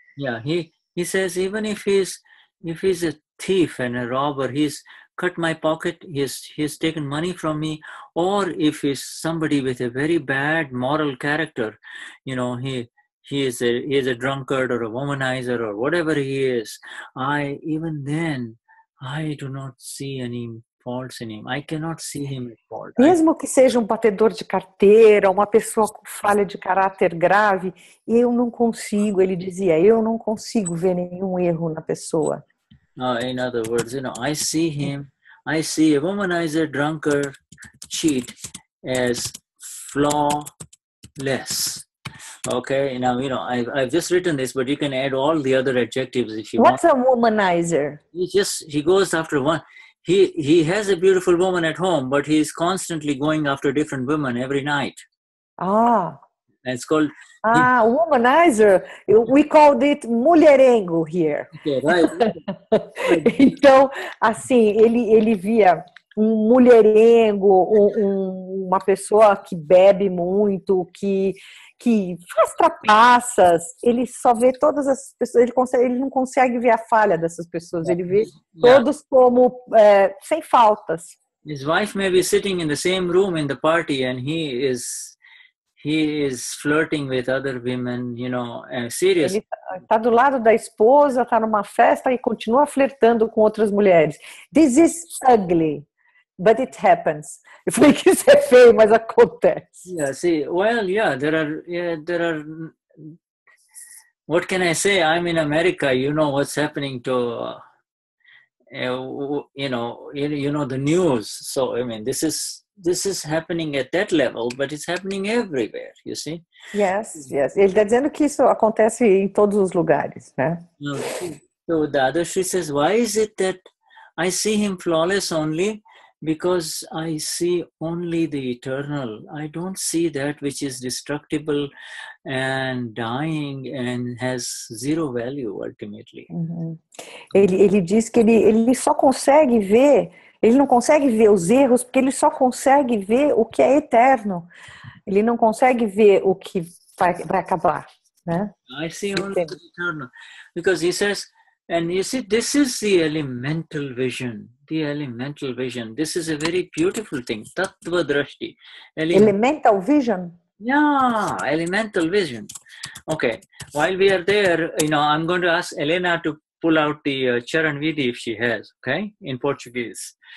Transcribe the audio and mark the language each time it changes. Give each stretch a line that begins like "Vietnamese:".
English: Yeah, he says, even if he's a thief and a robber, he's cut my pocket, he's taken money from me, or if he's somebody with a very bad moral character, you know, he is a drunkard or a womanizer or whatever he is, I do not see any faults in him. I cannot see him at fault.
Portuguese: Mesmo que seja um batedor de carteira, uma pessoa com falha de caráter grave, eu não consigo, ele dizia, eu não consigo ver nenhum erro na pessoa.
English: In other words, you know, I see him, I see a womanizer, drunkard, cheat as flawless. Okay, now, you know, I've just written this, but you can add all the other adjectives if you What's want. What's a womanizer? He goes after one. He has a beautiful woman at home, but he is constantly going after different women every night. Ah. And it's called... Ah, womanizer. We called it mulherengo here. Okay, right.
Portuguese: Então, assim, ele via um mulherengo, uma pessoa que bebe muito, que faz trapaças. Ele só vê todas as pessoas. Ele não consegue ver a falha dessas pessoas. Ele vê todos como sem faltas.
English: His wife may be sitting in the same room in the party and he is flirting with other women, you know, seriously.
Portuguese: Ele tá do lado da esposa, tá numa festa e continua flertando com outras mulheres.
English: This is ugly, but it happens.
Portuguese: Eu falei que isso é feio, mas acontece.
English: Yeah, see, well, yeah, there are, what can I say? I'm in America, you know what's happening to, you know, the news. So, I mean, this is happening at that level, but it's happening everywhere, you see? Yes, yes.
Portuguese: Ele está dizendo que isso acontece em todos os lugares, né?
English: So Dadashri says, why is it that I see him flawless only? Because I see only the eternal. I don't see that which is destructible and dying and has zero value ultimately.
Portuguese: Uh-huh. Ele diz que ele só consegue ver... Ele não consegue ver os erros porque ele só consegue ver o que é eterno. Ele não consegue ver o que vai acabar, né?
English: I see only the eternal. Because he says, and you see, this is the elemental vision. The elemental vision. This is a very beautiful thing. Tatvadrashti. Elemental vision? Yeah, elemental vision. Okay, while we are there, you know, I'm going to ask Elena to pull out the Charan Vidhi if she has, okay, in Portuguese.